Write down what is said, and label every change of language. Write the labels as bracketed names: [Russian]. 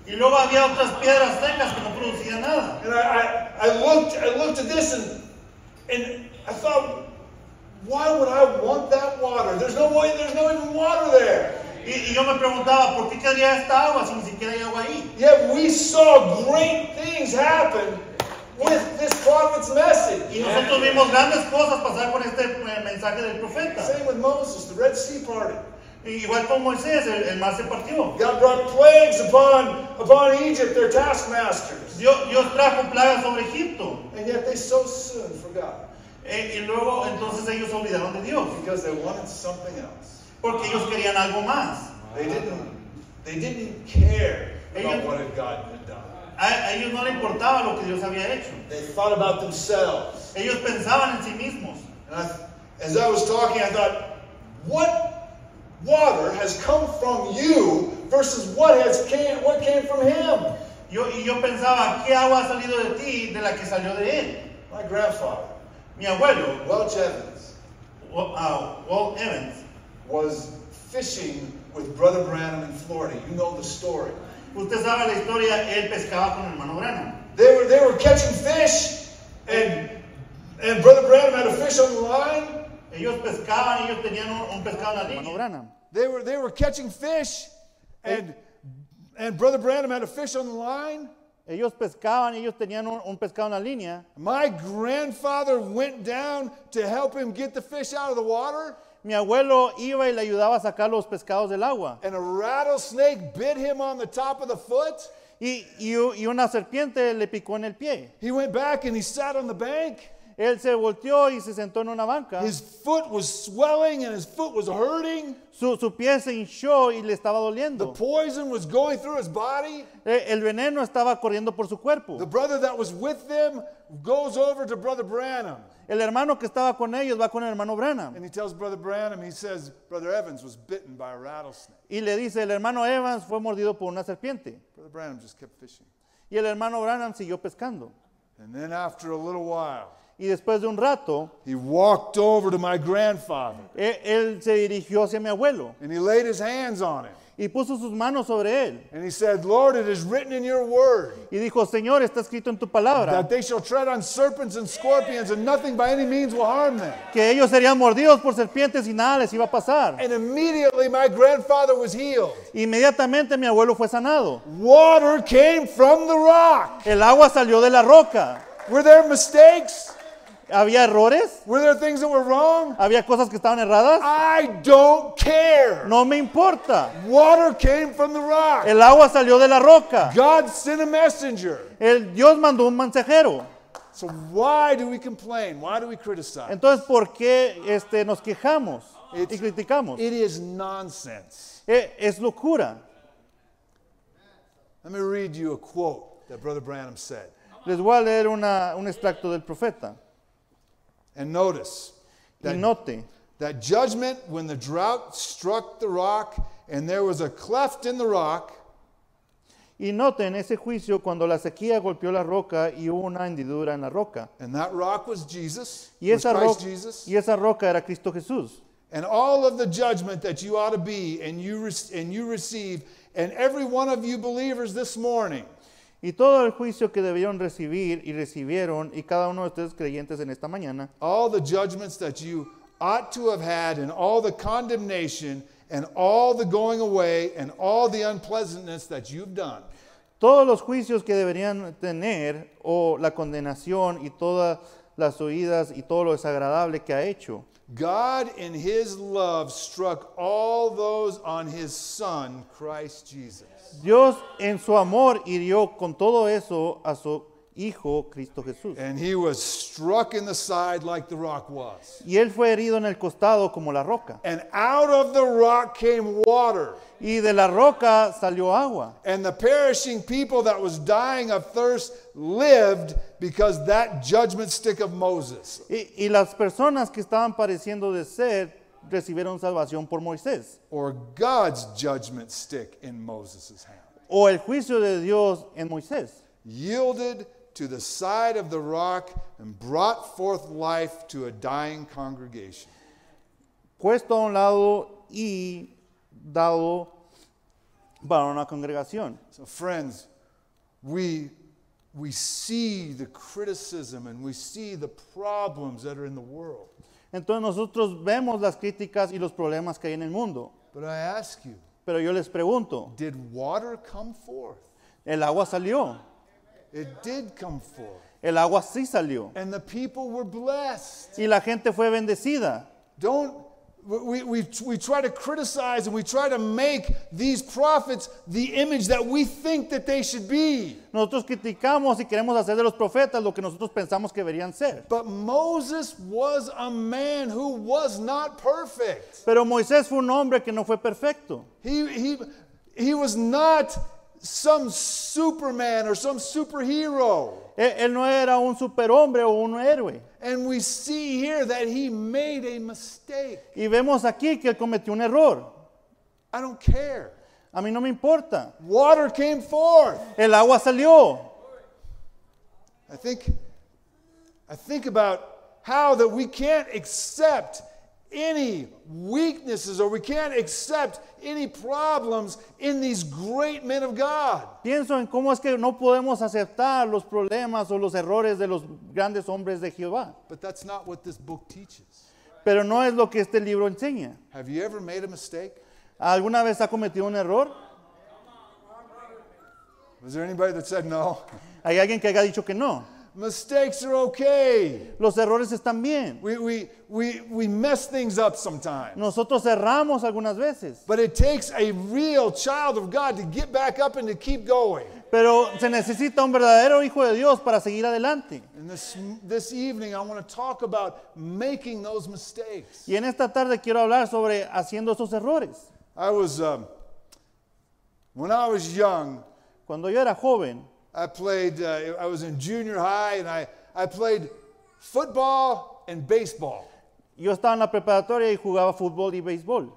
[Spanish] Y luego había otras piedras secas que no producían nada. [English] And I looked at this and I thought, why would I want that water? There's no way, there's no even water there. [Spanish] Y yo me preguntaba, ¿por qué quería esta agua si ni siquiera hay agua ahí? [English] Yet we saw great things happen with this prophet's message. [Spanish] Y nosotros vimos grandes cosas pasar con este mensaje del profeta. [English] Same with Moses, the Red Sea parted. [Spanish] Igual con Moisés, el mar se partió. [English] God brought plagues upon Egypt, their taskmasters. [Spanish] Dios trajo plagas sobre Egipto. [English] And yet they so soon forgot. [Spanish] Y luego entonces ellos olvidaron de Dios. [English] Because they wanted something else. [Spanish] Porque ellos querían algo más. [English] They didn't care about what had God had done. [Spanish] A ellos no le importaba lo que Dios había hecho. [English] They thought about themselves. [Spanish] Ellos pensaban en sí mismos. [English] As I was talking, I thought, what water has come from you versus what came from him? [Spanish] Yo pensaba, ¿qué agua ha salido de ti de la que salió de él? [English] My grandfather. [Spanish] Mi abuelo. [English] Welch Evans. [Spanish] Walt Evans. [English] Was fishing with Brother Branham in Florida. You know the story. [Spanish] Usted sabe la historia, él pescaba con el hermano Branham. [English] They were catching fish, and Brother Branham had a fish on the line. [Spanish] Ellos pescaban, ellos tenían un pescado en la línea. [English] Branham. They were catching fish, and Brother Branham had a fish on the line. [Spanish] Ellos pescaban, ellos tenían un pescado en la línea. [English] My grandfather went down to help him get the fish out of the water. [Spanish] Mi abuelo iba y le ayudaba a sacar los pescados del agua. [English] And a rattlesnake bit him on the top of the foot. [Spanish] Y una serpiente le picó en el pie. [English] He went back and he sat on the bank. [Spanish] Él se volteó y se sentó en una banca. [English] His foot was swelling and his foot was hurting. [Spanish] Su pie se hinchó y le estaba doliendo. [English] The poison was going through his body. [Spanish] El veneno estaba corriendo por su cuerpo. [English] The brother that was with them goes over to Brother Branham. [Spanish] El hermano que estaba con ellos va con el hermano Branham. [English] And he tells Brother Branham, he says, Brother Evans was bitten by a rattlesnake. [Spanish] Y le dice, el hermano Evans fue mordido por una serpiente. [English] Brother Branham just kept fishing. [Spanish] Y el hermano Branham siguió pescando. [English] And then after a little while, [Spanish] y después de un rato, [English] he walked over to my grandfather. [Spanish] Él se dirigió hacia mi abuelo. [English] And he laid his hands on him. [Spanish] Y puso sus manos sobre él. [English] And he said, Lord, it is written in your word. [Spanish] Y dijo, Señor, está escrito en tu palabra. [English] That they shall tread on serpents and scorpions, and nothing by any means will harm them. [Spanish] Que ellos serían mordidos por serpientes y nada les iba a pasar. [English] And immediately my grandfather was healed. [Spanish] Inmediatamente mi abuelo fue sanado. [English] Water came from the rock. [Spanish] El agua salió de la roca. [English] Were there mistakes? [Spanish] ¿Había errores? [English] Were there things that were wrong? [Spanish] ¿Había cosas que estaban erradas? [English] I don't care. [Spanish] No me importa. [English] Water came from the rock. [Spanish] El agua salió de la roca. [English] God sent a messenger. [Spanish] El Dios mandó un mensajero. [English] So why do we complain? Why do we criticize? [Spanish] Entonces, ¿por qué nos quejamos y criticamos? [English] It is nonsense. [Spanish] Es locura. [English] Let me read you a quote that Brother Branham said. [Spanish] Les voy a leer un extracto del profeta. [English] And notice that judgment when the drought struck the rock and there was a cleft in the rock. [Spanish] Y note en ese juicio cuando la sequía golpeó la roca y hubo una hendidura en la roca. [English] And that rock was Jesus. [Spanish] Y esa roca era Cristo Jesús. [English] And all of the judgment that you ought to be and you receive and every one of you believers this morning. [Spanish] Y todo el juicio que debieron recibir y recibieron y cada uno de ustedes creyentes en esta mañana. [English] All the judgments that you ought to have had and all the condemnation and all the going away and all the unpleasantness that you've done. [Spanish] Todos los juicios que deberían tener o la condenación y todas las huidas y todo lo desagradable que ha hecho. [English] God in his love struck all those on his son Christ Jesus. [Spanish] Dios en su amor hirió con todo eso a su hijo Cristo Jesús. [English] And he was struck in the side like the rock was. [Spanish] Y él fue herido en el costado como la roca. [English] And out of the rock came water. [Spanish] Y de la roca salió agua. [English] And the perishing people that was dying of thirst lived because that judgment stick of Moses. [Spanish] Y las personas que estaban padeciendo de sed recibieron salvación por Moisés. [English] Or God's judgment stick in Moses's hand. [Spanish] O el juicio de Dios en Moisés. [English] Yielded to the side of the rock and brought forth life to a dying congregation. [Spanish] Puesto a un lado y dado para una congregación. [English] So friends, we see the criticism and we see the problems that are in the world. [Spanish] Entonces nosotros vemos las críticas y los problemas que hay en el mundo. [English] But I ask you, [Spanish] pero yo les pregunto, [English] did water come forth? [Spanish] El agua salió. [English] It did come forth. [Spanish] El agua sí salió. [English] And the people were blessed. [Spanish] Y la gente fue bendecida. [English] Don't we try to criticize and we try to make these prophets the image that we think that they should be. [Spanish] Nosotros criticamos y queremos hacer de los profetas lo que nosotros pensamos que deberían ser. [English] But Moses was a man who was not perfect. [Spanish] Pero Moisés fue un hombre que no fue perfecto. [English] He was not some Superman or some superhero. [Spanish] Él no era un superhombre o un héroe. [English] And we see here that he made a mistake. [Spanish] Y vemos aquí que él cometió un error. [English] I don't care. [Spanish] A mí no me importa. [English] Water came forth. [Spanish] El agua salió. [English] I think about how that we can't accept any weaknesses or we can't accept any problems in these great men of God. [Spanish] Pienso en cómo es que no podemos aceptar los problemas o los errores de los grandes hombres de Jehová. [English] But that's not what this book teaches. [Spanish] Pero no es lo que este libro enseña. [English] Have you ever made a mistake? [Spanish] ¿Alguna vez ha cometido un error? [English] Was there anybody that said no? [Spanish] ¿Hay alguien que haya dicho que no? [English] Mistakes are okay. [Spanish] Los errores están bien. [English] We mess things up sometimes. [Spanish] Nosotros erramos algunas veces. [English] But it takes a real child of God to get back up and to keep going. [Spanish] Pero se necesita un verdadero hijo de Dios para seguir adelante. [English] And this evening I want to talk about making those mistakes. [Spanish] Y en esta tarde quiero hablar sobre haciendo esos errores. [English] I was when I was young. [Spanish] Cuando yo era joven. [English] I was in junior high and I played football and baseball. [Spanish] Yo estaba en la preparatoria y jugaba fútbol y béisbol.